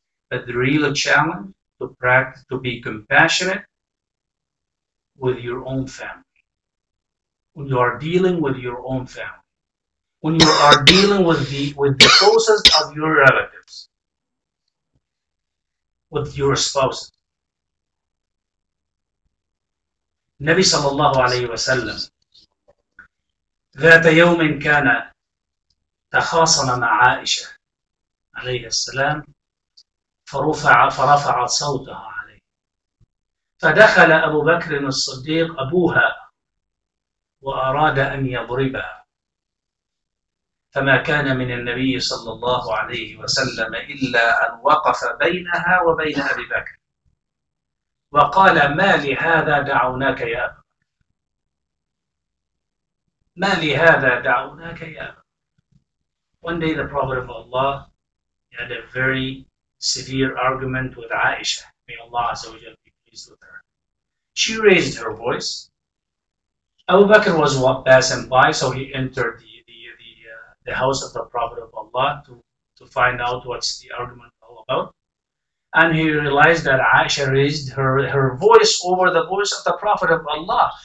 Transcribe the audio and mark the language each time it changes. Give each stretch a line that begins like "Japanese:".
English: But the real challenge to practice, to be compassionate with your own family. When you are dealing with your own family, when you are dealing with the closest of your relatives, with your spouses.
Arabic: Nabi sallallahu alayhi wa sallam, ذات يوم كان تخاصم مع عائشة عليه السلام فرفع صوتها عليه فدخل أبو بكر الصديق أبوها وأراد أن يضربها فما كان من النبي صلى الله عليه وسلم إلا أن وقف بينها وبين أبي بكر وقال ما لهذا دعوناك يا أبا ما لهذا دعوناك يا
English: One day the Prophet of Allah had a very severe argument with Aisha. May Allah Azza wa Jalla be pleased with her. She raised her voice. Abu Bakr was passing by, so he entered the house of the Prophet of Allah to find out what's the argument all about. And he realized that Aisha raised her voice over the voice of the Prophet of Allah.